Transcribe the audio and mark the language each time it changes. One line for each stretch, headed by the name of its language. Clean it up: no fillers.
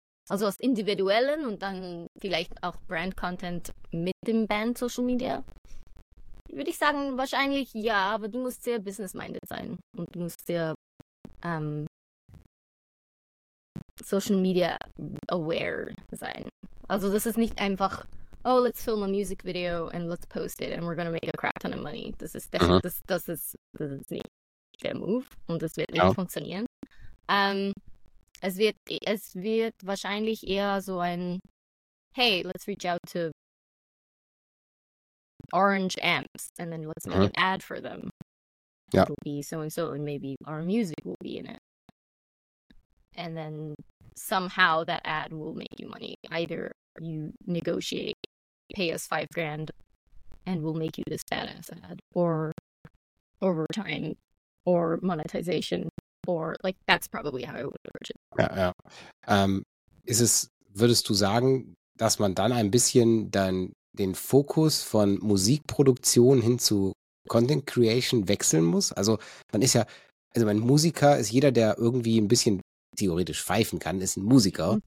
German: Also aus individuellen und dann vielleicht auch Brand-Content mit dem Band-Social Media. Würde ich sagen, wahrscheinlich ja, aber du musst sehr business-minded sein und du musst sehr Social Media aware sein. Also das ist nicht einfach
English: oh, let's film a music video and let's post it and we're going to make a crap ton of money.
German: Das ist, uh-huh. das ist nicht der Move und das wird nicht funktionieren. Es wird wahrscheinlich eher so ein,
English: hey, let's reach out to Orange Amps and then let's make an ad for them. Yeah. It'll be so-and-so and maybe our music will be in it. And then somehow that ad will make you money. Either you negotiate, pay us $5,000 and we'll make you this badass ad, or overtime, or monetization, or like that's probably how I would approach it. Yeah, yeah.
German: Würdest du sagen, dass man dann ein bisschen dann den Fokus von Musikproduktion hin zu Content Creation wechseln muss? Also man ist ja, also ein Musiker ist jeder, der irgendwie ein bisschen theoretisch pfeifen kann, ist ein Musiker.